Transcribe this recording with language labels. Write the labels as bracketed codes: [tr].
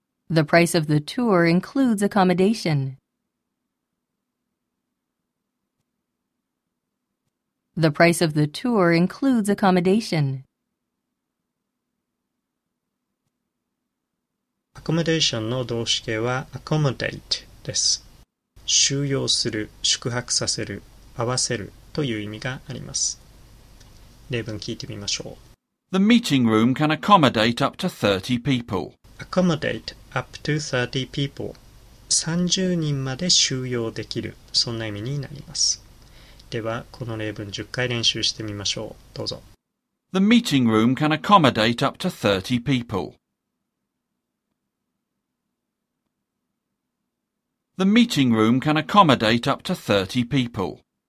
[en] The price of the tour includes accommodation. The price of the tour includes accommodation. [ja] Accommodation の動詞形は accommodate です。収容する、宿泊させる、合わせるという意味があります。例文聞いてみましょう。 [en] The meeting room can accommodate up to 30 people. Accommodate up to 30 people. [ja] 30人まで収容できる、そんな意味になります。ではこの例文10回練習してみましょう。どうぞ。 [en] The meeting room can accommodate up to 30 people. The meeting room can accommodate up to 30 people.